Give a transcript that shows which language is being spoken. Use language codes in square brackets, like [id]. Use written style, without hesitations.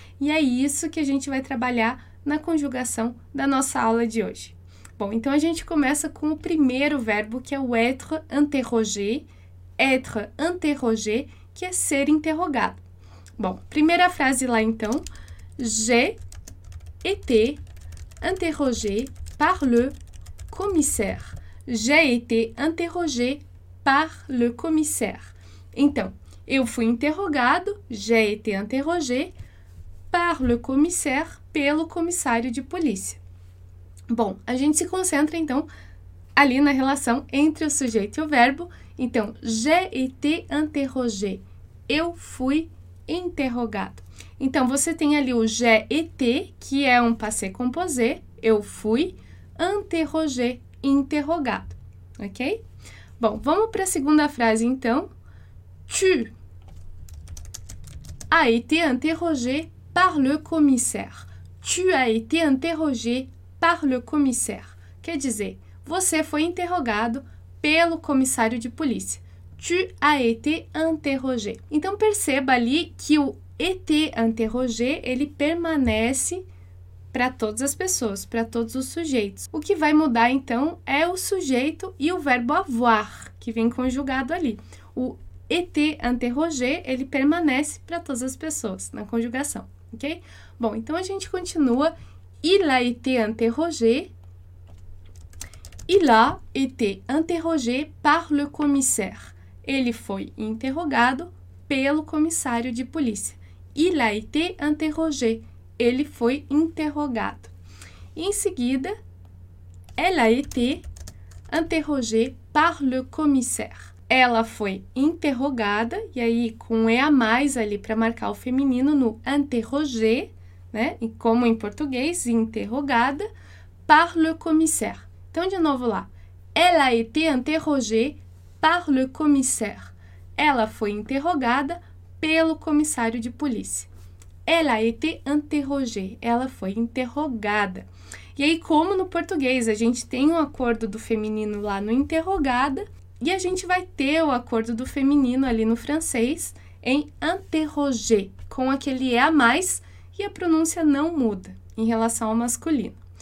[pt] E é isso que a gente vai trabalhar na conjugação da nossa aula de hoje. Bom, então a gente começa com o primeiro verbo, que é o [fr] être interrogé, [pt] que é ser interrogado. Bom, primeira frase lá então. [fr] J'ai été interrogé par le commissaire. J'ai été interrogé par le commissaire. [pt] Então, eu fui interrogado, [fr] j'ai été interrogé, par le commissaire, [pt] pelo comissário de polícia. Bom, a gente se concentra então ali na relação entre o sujeito e o verbo. Então, [fr] j'ai été interrogé, [pt] eu fui interrogado. Então, você tem ali o [fr] j'ai été, [pt] que é um passé composé, eu fui interrogé, interrogado. Ok? Bom, vamos para a segunda frase então. [fr] Tu as été interrogé par le commissaire. Tu as été interrogé par le commissaire. [pt] Quer dizer, você foi interrogado pelo comissário de polícia. [fr] Tu as été interrogé. [pt] Então perceba ali que o [fr] été interrogé, [pt] ele permanece para todas as pessoas, para todos os sujeitos. O que vai mudar então é o sujeito e o verbo avoir, que vem conjugado ali. O [fr] été interrogé, [pt] ele permanece para todas as pessoas na conjugação, ok? Bom, então a gente continua. [fr] Il a été interrogé. Il a été interrogé par le commissaire. [pt] Ele foi interrogado pelo comissário de polícia. [fr] Il a été interrogé. [pt] Ele foi interrogado. Em seguida, [fr] elle a été interrogée par le commissaire. [pt] Ela foi interrogada, e aí com um E a mais ali para marcar o feminino no interrogé, né? E como em português, interrogada, [fr] par le commissaire. [pt] Então, de novo lá. [fr] Elle a été interrogée par le commissaire. [pt] Ela foi interrogada pelo comissário de polícia. [fr] Elle a été interrogée. [pt] Ela foi interrogada. E aí, como no português a gente tem um acordo do feminino lá no interrogada, e a gente vai ter o acordo do feminino ali no francês em interrogée, com aquele E a mais, e a pronúncia não muda em relação ao masculino.